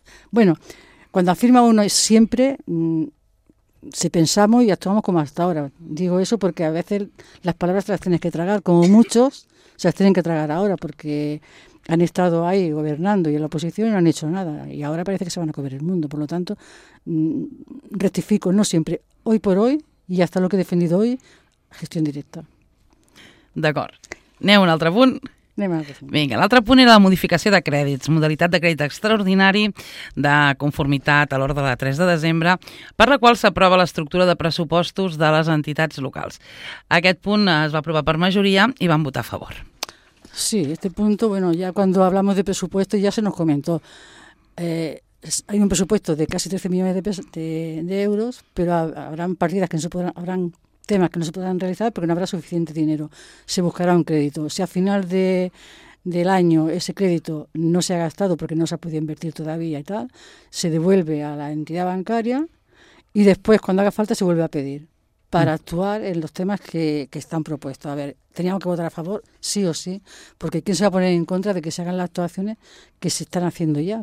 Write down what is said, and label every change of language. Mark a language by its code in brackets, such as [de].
[es] Bueno, cuando afirma uno siempre, se pensamos y actuamos como hasta ahora. Digo eso porque a veces las palabras te las tienes que tragar, como muchos se las tienen que tragar ahora, porque han estado ahí gobernando y en la oposición y no han hecho nada. Y ahora parece que se van a comer el mundo. Por lo tanto, rectifico, no siempre. Hoy por hoy, [ca] i ja està el que he defendit avui, gestió indirecta. D'acord. Anem a un altre punt. Vinga, l'altre punt era la modificació de crèdits, modalitat de crèdit extraordinari de conformitat a l'ordre de 3 de desembre, per la qual s'aprova l'estructura de pressupostos de les entitats locals. Aquest punt es va aprovar per majoria i van votar a favor. [es] Sí, este punto, bueno, ya cuando hablamos de presupuesto ya se nos comentó. Hay un presupuesto de casi 13 millones de euros, pero habrán partidas que no se podrán, habrán temas que no se podrán realizar porque no habrá suficiente dinero. Se buscará un crédito. Si a final del año ese crédito no se ha gastado porque no se ha podido invertir todavía y tal, se devuelve a la entidad bancaria y después, cuando haga falta, se vuelve a pedir para actuar en los temas que están propuestos. A ver, teníamos que votar a favor, sí o sí, porque ¿quién se va a poner en contra de que se hagan las actuaciones que se están haciendo ya?